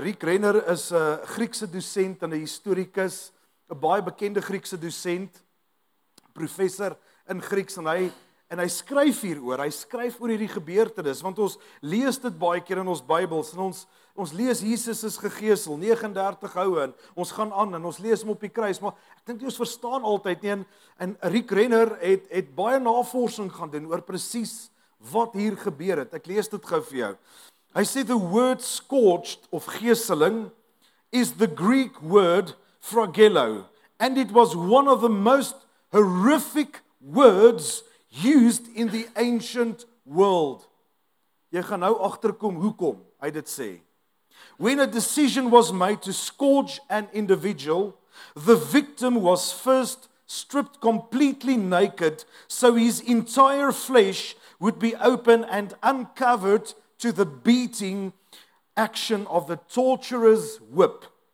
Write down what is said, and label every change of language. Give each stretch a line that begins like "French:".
Afrikaans: Rick Renner is 'n Griekse docent en 'n historikus, 'n baie bekende Griekse docent, professor in Grieks, en hy skryf hieroor, hy skryf oor hierdie gebeurtenis, want ons lees dit baie keer in ons Bybels, en ons lees Jesus is gegeesel, 39 houe, en ons gaan aan, en ons lees hom op die kruis, maar ek dink ons verstaan altyd nie, en Rick Renner het baie navorsing gaan doen oor presies wat hier gebeur het. Ek lees dit gou vir jou. Hy sê,
English: the word scorched
Afrikaans: of geeseling
English: is the Greek word phragelo, and it was one of the most horrific words used in the ancient world.
Afrikaans: Jy gaan nou agterkom hoekom hy dit sê.
English: When a decision was made to scourge an individual, the victim was first stripped completely naked so his entire flesh would be open and uncovered to the beating action of the torturer's whip.